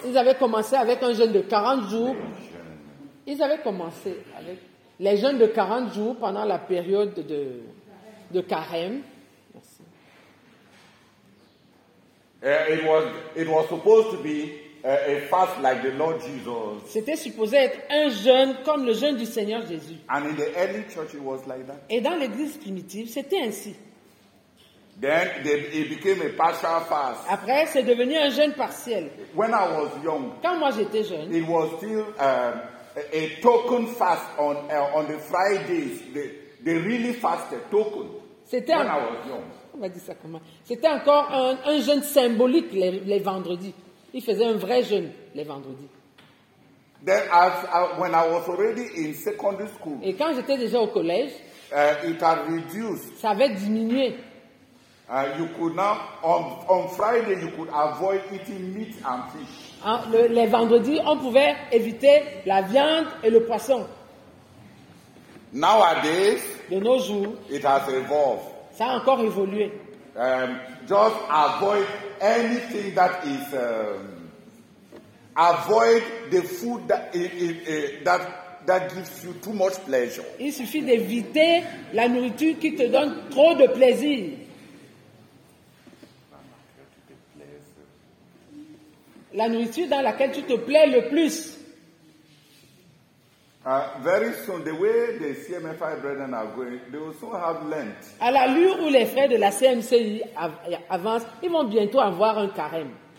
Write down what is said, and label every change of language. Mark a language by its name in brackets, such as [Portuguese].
[French] Ils avaient commencé avec un jeûne de 40 jours. Ils avaient commencé avec les jeûnes de 40 jours pendant la période de carême. Merci. [English] It was supposed to be a fast like the Lord Jesus. [French] C'était supposé être un jeûne comme le jeûne du Seigneur Jésus. [English] And in the early church it was like that. [French] Et dans l'église primitive, c'était ainsi. [English] Then it became a partial fast. [French] Après, c'est devenu un jeûne partiel. [English] When I was young, [French] quand moi j'étais jeune, [English] it was still a token fast on the Fridays. They really fasted token. [French] C'était [English] when I was young. [French] On va dire ça comment? C'était encore un jeûne symbolique les vendredis. Il faisait un vrai jeûne les vendredis. [English] Then when I was already in secondary school, [French] et quand j'étais déjà au collège, [English] it had reduced. [French] Ça avait diminué. [English] You could now on Friday you could avoid eating meat and fish. [French] Les vendredis, on pouvait éviter la viande et le poisson. [English] Nowadays, [French] de nos jours, [English] it has evolved. [French] Ça a encore évolué. [English] Just avoid anything that is avoid the food that gives you too much pleasure. [French] Il suffit d'éviter la nourriture qui te donne trop de plaisir. La nourriture dans laquelle tu te plais le plus. [English] Very soon, the way the CMFI brethren are going, they will soon have Lent. [French] À l'allure où les frères de la CMCI avancent, ils vont bientôt avoir un carême.